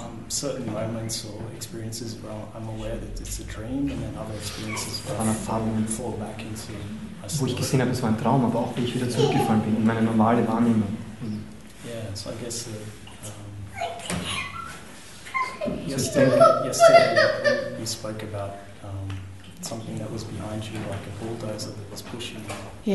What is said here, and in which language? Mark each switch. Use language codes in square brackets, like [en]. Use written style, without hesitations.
[en] certain moments or experiences where I'm aware that it's a dream and then other experiences where I fall back into a story. [de] Wo ich gesehen habe, es war ein Traum, aber auch wie ich wieder zurückgefallen bin in meine normale Wahrnehmung. [en] Yeah, so I guess yesterday you spoke about something that was behind you, like a bulldozer that was pushing you.